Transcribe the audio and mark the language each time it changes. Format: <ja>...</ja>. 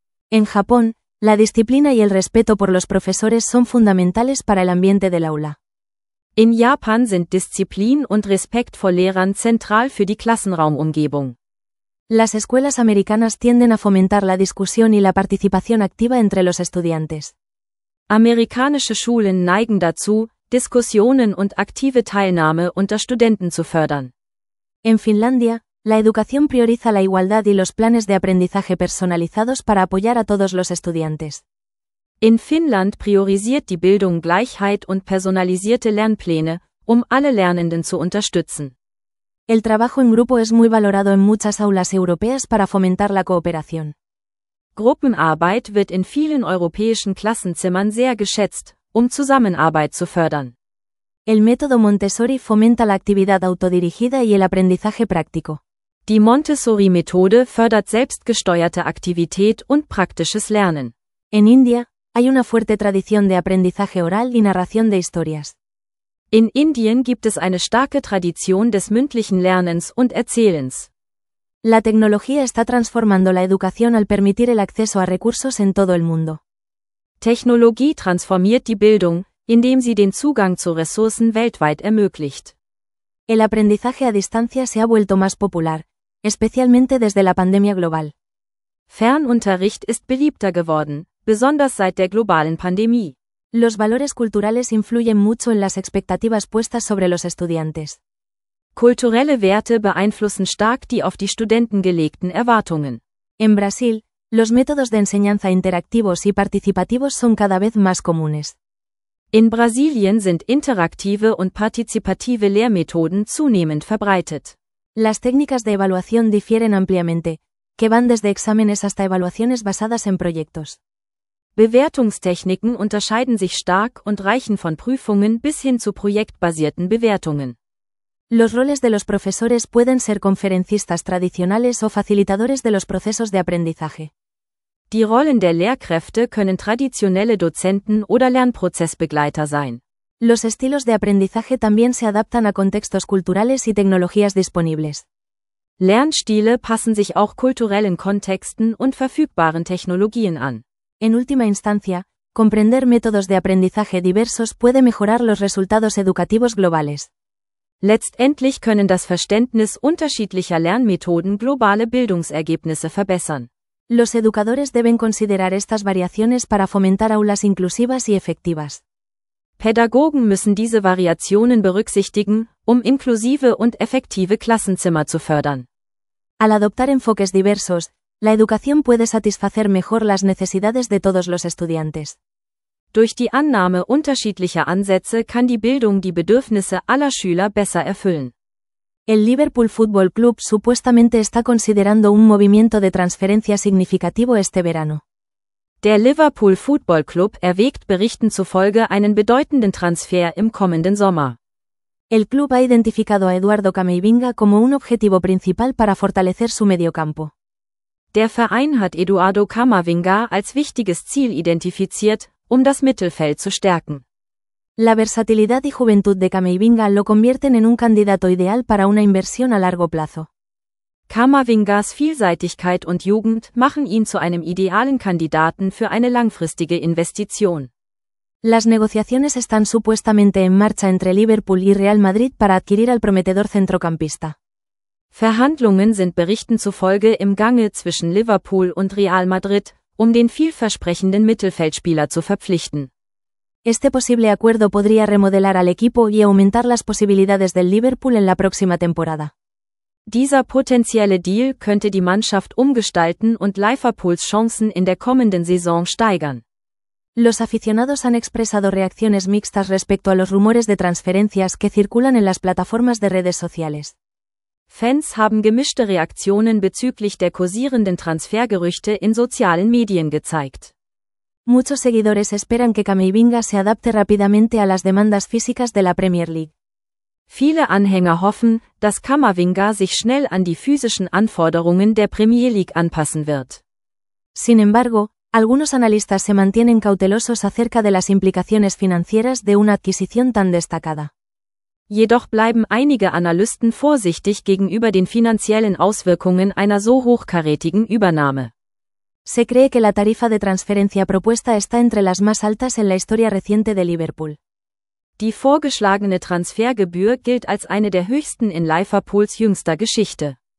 <es>En Japón, la disciplina y el respeto por los profesores son fundamentales para el ambiente del aula.</es> <de>In Japan sind Disziplin und Respekt vor Lehrern zentral für die Klassenraumumgebung.</de> <es>Las escuelas americanas tienden a fomentar la discusión y la participación activa entre los estudiantes.</es> <de>Amerikanische Schulen neigen dazu, Diskussionen und aktive Teilnahme unter Studenten zu fördern.</de> <es>En Finlandia, la educación prioriza la igualdad y los planes de aprendizaje personalizados para apoyar a todos los estudiantes.</es> <de>In Finnland priorisiert die Bildung Gleichheit und personalisierte Lernpläne, um alle Lernenden zu unterstützen.</de> <es>El trabajo en grupo es muy valorado en muchas aulas europeas para fomentar la cooperación.</es> <de>Gruppenarbeit wird in vielen europäischen Klassenzimmern sehr geschätzt, um Zusammenarbeit zu fördern.</de> <es>El método Montessori fomenta la actividad autodirigida y el aprendizaje práctico.</es> <de>Die Montessori-Methode fördert selbstgesteuerte Aktivität und praktisches Lernen.</de> <es>En India, hay una fuerte tradición de aprendizaje oral y narración de historias.</es> <de>In Indien gibt es eine starke Tradition des mündlichen Lernens und Erzählens.</de> <es>La tecnología está transformando la educación al permitir el acceso a recursos en todo el mundo.</es> <de>Technologie transformiert die Bildung, indem sie den Zugang zu Ressourcen weltweit ermöglicht.</de> <es>El aprendizaje a distancia se ha vuelto más popular, especialmente desde la pandemia global.</es> <de>Fernunterricht ist beliebter geworden, besonders seit der globalen Pandemie.</de> <es>Los valores culturales influyen mucho en las expectativas puestas sobre los estudiantes.</es> <de>Kulturelle Werte beeinflussen stark die auf die Studenten gelegten Erwartungen.</de> <es>En Brasil, los métodos de enseñanza interactivos y participativos son cada vez más comunes.</es> <de>In Brasilien sind interaktive und partizipative Lehrmethoden zunehmend verbreitet.</de> <es>Las técnicas de evaluación difieren ampliamente, que van desde exámenes hasta evaluaciones basadas en proyectos.</es> <de>Bewertungstechniken unterscheiden sich stark und reichen von Prüfungen bis hin zu projektbasierten Bewertungen.</de> <es>Los roles de los profesores pueden ser conferencistas tradicionales o facilitadores de los procesos de aprendizaje.</es> <de>Die Rollen der Lehrkräfte können traditionelle Dozenten oder Lernprozessbegleiter sein.</de> <es>Los estilos de aprendizaje también se adaptan a contextos culturales y tecnologías disponibles.</es> <de>Lernstile passen sich auch kulturellen Kontexten und verfügbaren Technologien an.</de> <es>En última instancia, comprender métodos de aprendizaje diversos puede mejorar los resultados educativos globales.</es> <de>Letztendlich können das Verständnis unterschiedlicher Lernmethoden globale Bildungsergebnisse verbessern.</de> <es>Los educadores deben considerar estas variaciones para fomentar aulas inclusivas y efectivas.</es> <de>Pädagogen müssen diese Variationen berücksichtigen, um inklusive und effektive Klassenzimmer zu fördern.</de> <es>Al adoptar enfoques diversos, la educación puede satisfacer mejor las necesidades de todos los estudiantes.</es> <de>Durch die Annahme unterschiedlicher Ansätze kann die Bildung die Bedürfnisse aller Schüler besser erfüllen.</de> <es>El Liverpool Football Club supuestamente está considerando un movimiento de transferencia significativo este verano.</es> <de>Der Liverpool Football Club erwägt Berichten zufolge einen bedeutenden Transfer im kommenden Sommer.</de> <es>El club ha identificado a Eduardo Camavinga como un objetivo principal para fortalecer su mediocampo.</es> <de>Der Verein hat Eduardo Camavinga als wichtiges Ziel identifiziert, um das Mittelfeld zu stärken.</de> <es>La versatilidad y juventud de Camavinga lo convierten en un candidato ideal para una inversión a largo plazo.</es> <de>Kamavingas Vielseitigkeit und Jugend machen ihn zu einem idealen Kandidaten für eine langfristige Investition.</de> <es>Las negociaciones están supuestamente en marcha entre Liverpool y Real Madrid para adquirir al prometedor centrocampista.</es> <de>Verhandlungen sind Berichten zufolge im Gange zwischen Liverpool und Real Madrid, um den vielversprechenden Mittelfeldspieler zu verpflichten.</de> <es>Este posible acuerdo podría remodelar al equipo y aumentar las posibilidades del Liverpool en la próxima temporada.</es> <de>Dieser potenzielle Deal könnte die Mannschaft umgestalten und Liverpools Chancen in der kommenden Saison steigern.</de> <es>Los aficionados han expresado reacciones mixtas respecto a los rumores de transferencias que circulan en las plataformas de redes sociales.</es> <de>Fans haben gemischte Reaktionen bezüglich der kursierenden Transfergerüchte in sozialen Medien gezeigt.</de> <es>Muchos seguidores esperan que Camavinga se adapte rápidamente a las demandas físicas de la Premier League.</es> <de>Viele Anhänger hoffen, dass Camavinga sich schnell an die physischen Anforderungen der Premier League anpassen wird.</de> <es>Sin embargo, algunos analistas se mantienen cautelosos acerca de las implicaciones financieras de una adquisición tan destacada.</es> <de>Jedoch bleiben einige Analysten vorsichtig gegenüber den finanziellen Auswirkungen einer so hochkarätigen Übernahme.</de> <es>Se cree que la tarifa de transferencia propuesta está entre las más altas en la historia reciente de Liverpool.</es> <de>Die vorgeschlagene Transfergebühr gilt als eine der höchsten in Liverpools jüngster Geschichte.</de>